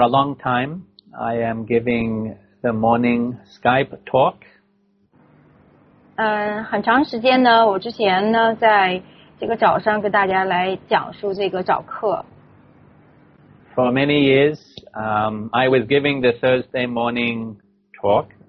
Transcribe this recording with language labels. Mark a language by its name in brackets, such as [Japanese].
[English] a long time, I am giving the morning Skype talk. [Chinese] 很长时间呢，我之前呢在。这个早上跟大家来讲述这个早课。 [English] For many years, I was giving the Thursday morning talk.